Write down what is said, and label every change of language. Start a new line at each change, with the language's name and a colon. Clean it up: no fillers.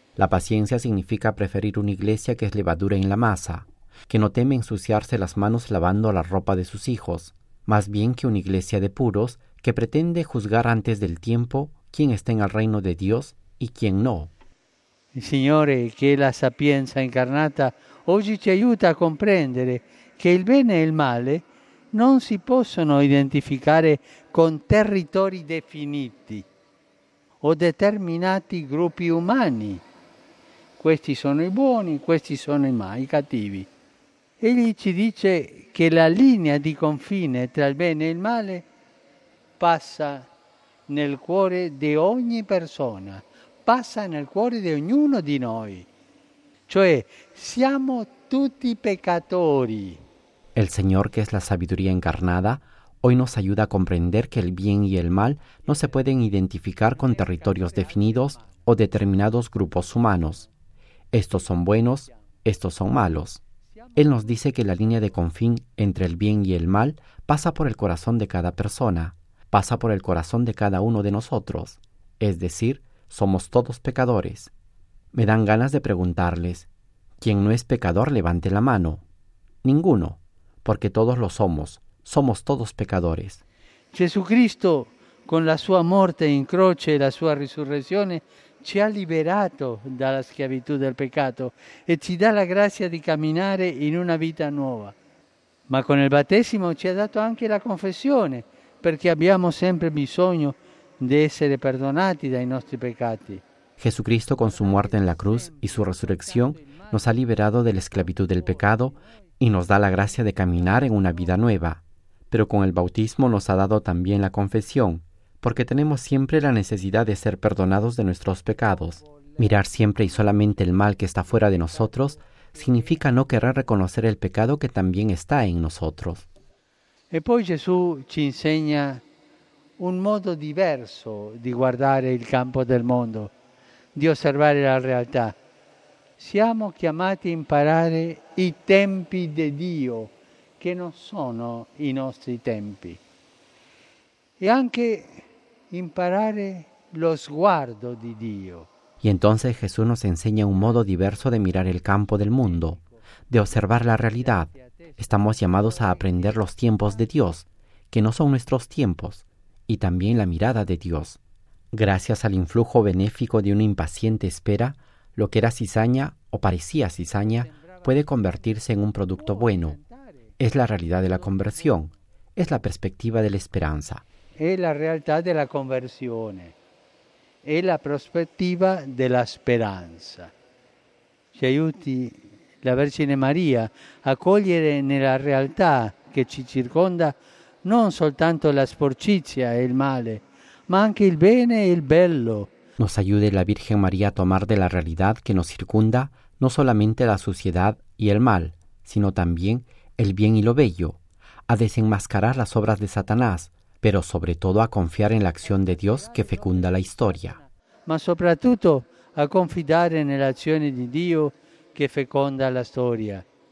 Spanish: La paciencia significa preferir una iglesia
Italian: che è
Spanish: levadura in la masa, que no teme ensuciarse las manos lavando la ropa de sus hijos, más bien que una iglesia de puros que pretende juzgar antes del tiempo quién está en el reino de Dios y quién no.
Italian: Signore, que la sapienza incarnata oggi ci aiuta a comprendere che il bene e il male non si possono identificare con territori definiti o determinati gruppi umani. Questi sono i buoni, questi sono i cattivi. Egli ci dice che la linea di confine tra il bene e il male passa nel cuore di ogni persona, passa nel cuore di ognuno di noi. Cioè, siamo tutti peccatori.
Spanish: El Señor, que es la sabiduría encarnada, hoy nos ayuda a comprender que el bien y el mal no se pueden identificar con territorios definidos o determinados grupos humanos. Estos son buenos, estos son malos. Él nos dice que la línea de confín entre el bien y el mal pasa por el corazón de cada persona, pasa por el corazón de cada uno de nosotros, es decir, somos todos pecadores. Me dan ganas de preguntarles: ¿quién no es pecador? Levante la mano. Ninguno, porque todos lo somos todos pecadores. Jesucristo
Italian: con la sua morte in croce e la sua risurrezione, ci ha liberato dalla schiavitù del peccato e ci dà la grazia di camminare in una vita nuova. Ma con il battesimo ci ha dato anche la confessione, perché abbiamo sempre bisogno di essere perdonati dai nostri peccati.
Spanish: Jesucristo, con su muerte en la cruz y su resurrección, nos ha liberado de la esclavitud del pecado y nos da la gracia de caminar en una vida nueva. Pero con el bautismo nos ha dado también la confesión, porque tenemos siempre la necesidad de ser perdonados de nuestros pecados. Mirar siempre y solamente el mal que está fuera de nosotros significa no querer reconocer el pecado que también está en nosotros. Y
Italian: poi Gesù ci
Spanish: enseña un modo diverso de guardar el campo del mundo,
Italian: di osservare la realtà. Siamo chiamati a imparare i tempi di Dio, che non sono i nostri tempi. E anche imparare lo sguardo di Dio.
Spanish: Y entonces Jesús nos enseña un modo diverso de mirar el campo del mundo, de observar la realidad. Estamos llamados a aprender los tiempos de Dios, que no son nuestros tiempos, y también la mirada de Dios. Gracias al influjo benéfico de una impaciente espera, lo que era cizaña o parecía cizaña puede convertirse en un producto bueno. Es la realidad de la conversión, es la perspectiva de la esperanza. Es la realidad de la conversión, es la perspectiva de la esperanza.
Italian: Ci aiuti la Vergine María a cogliere nella realtà che ci circonda non soltanto la sporcizia e il male, ma anche il bene e il bello.
Spanish: Nos ayude la Virgen María a tomar de la realidad que nos circunda no solamente la suciedad y el mal, sino también el bien y lo bello, a desenmascarar las obras de Satanás, pero sobre todo a confiar en la acción de Dios que fecunda la historia.
Italian: Ma soprattutto a confidare nell'azione di Dio che feconda la storia.